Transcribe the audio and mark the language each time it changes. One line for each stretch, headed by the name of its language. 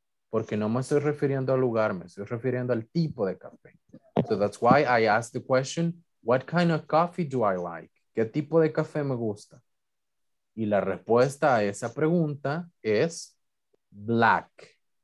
Spanish: Porque no me estoy refiriendo al lugar, me estoy refiriendo al tipo de café.
English: So that's why I ask the question, what kind of coffee do I like?
Spanish: ¿Qué tipo de café me gusta? Y la respuesta a esa pregunta es black.